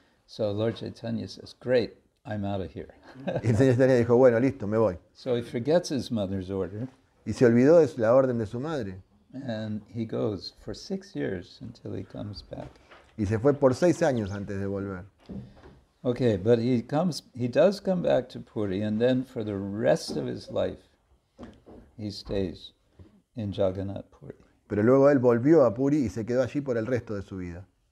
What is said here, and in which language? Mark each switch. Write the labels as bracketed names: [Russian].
[English] So Lord Chaitanya says, great, I'm out of here. [Spanish] Y el señor Chaitanya dijo, bueno, listo, me voy. [English] So he forgets his mother's order. [Spanish] Y se olvidó de la orden de su madre. [English] And he goes for 6 years until he comes back. [Spanish] Y se fue por 6 años antes de volver. [English] Okay, but he does come back to Puri, and then for the rest of his life, he stays in Jagannath Puri. [Spanish] Pero luego él volvió a Puri y se quedó allí por el resto de su vida.